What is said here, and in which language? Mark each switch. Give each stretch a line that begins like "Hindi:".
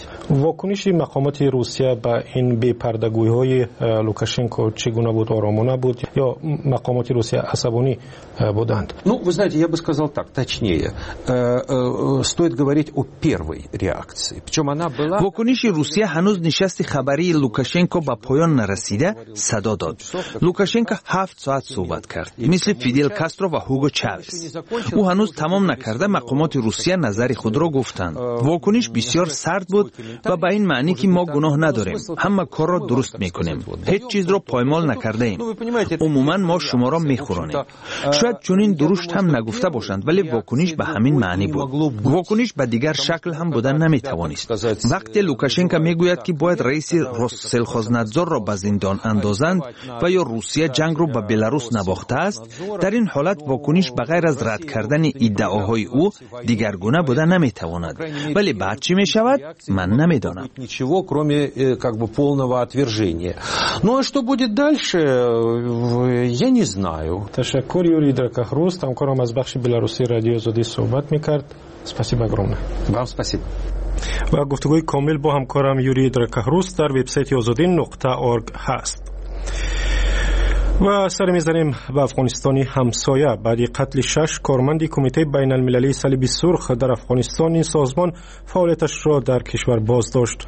Persian: واکنش مقامات روسیه به این بی‌پردگویی های لوکاشنکو چگونه بود؟ آرامانه بود یا مقامات روسیه عصبانی بودند؟
Russian: Ну, вы знаете, я бы сказал так, точнее. Стоит говорить о первой реакции. Причём она была
Persian: واکنش روسیه هنوز نشست خبری لوکاشنکو با پایان نرسیده صدا داد. لوکاشنکو 7 ساعت صحبت کرد. مثل فیدل کاسترو و هوگو چاوز. او هنوز تمام نکرده مقامات روسیه نظر خود را گفتند. واکنش بسیار سرد بود و به این معنی که ما گناه نداریم. همه کار را درست میکنیم. هیچ چیز را پایمال نکرده ایم. عموما ما شما را میخورانیم. شاید چنین درشت هم نگفته باشند، ولی واکنش به همین معنی بود. واکنش به دیگر شکل هم بودن نمیتوانست. وقتی لوکاشنکا میگوید که باید رئیس روسلخوزنادزور را به زندان اندازند و یا روسیه جنگ را به بلاروس نباخته است، در این حالت واکنش به غیر از رد کردن ادعاهای او دیگر گونه بودن نمیتواند. ولی بعد چی میشود؟ من نمیدانم.
Russian: ничего, кроме как бы полного отвержения. Ну а что будет дальше, я не знаю.
Persian: تشکر یوری درکاخروس، همکارم از بخش بلاروسی رادیو آزادی صحبت میکرد. سپاسی
Russian: огромное. Вам спасибо.
Persian: و گفتگوی کامل با همکارم یوری درکاخروس در وبسایت ozodin.org هست. و سر میزنیم به افغانستانی همسایه. بعد قتل 6 کارمند کمیته بین المللی صلیب سرخ در افغانستان، این سازمان فعالیتش را در کشور باز داشت.